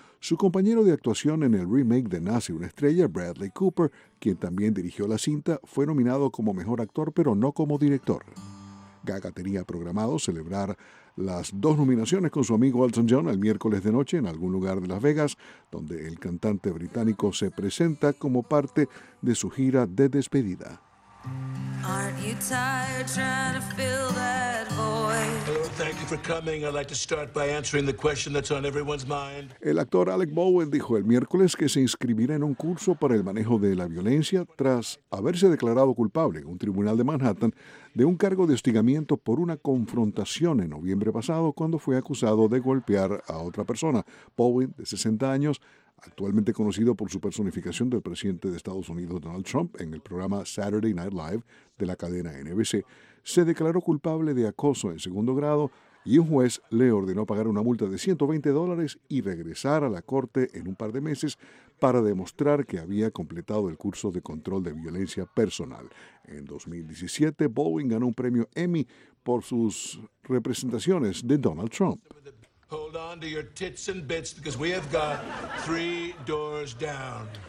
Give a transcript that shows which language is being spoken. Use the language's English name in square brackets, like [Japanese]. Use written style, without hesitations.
[Spanish] Su compañero de actuación en el remake de Nace una Estrella, Bradley Cooper, quien también dirigió la cinta, fue nominado como Mejor Actor, pero no como director. Gaga tenía programado celebrar las dos nominaciones con su amigo Elton John el miércoles de noche en algún lugar de Las Vegas, donde el cantante británico se presenta como parte de su gira de despedida. [English] Aren't you tired trying to fill that void? Hello, thank you for coming. I'd like to start by answering the question that's on everyone's mind. [Spanish] El actor Alec Baldwin dijo el miércoles que se inscribirá en un curso para el manejo de la violencia tras haberse declarado culpable en un tribunal de Manhattan de un cargo de hostigamiento por una confrontación en noviembre pasado cuando fue acusado de golpear a otra persona. Baldwin, de 60 años, actualmente conocido por su personificación del presidente de Estados Unidos, Donald Trump, en el programa Saturday Night Live de la cadena NBC, se declaró culpable de acoso en segundo grado y un juez le ordenó pagar una multa de $120 y regresar a la corte en un par de meses para demostrar que había completado el curso de control de violencia personal. En 2017, Baldwin ganó un premio Emmy por sus representaciones de Donald Trump. [English] Hold on to your tits and bits because we have got three doors down.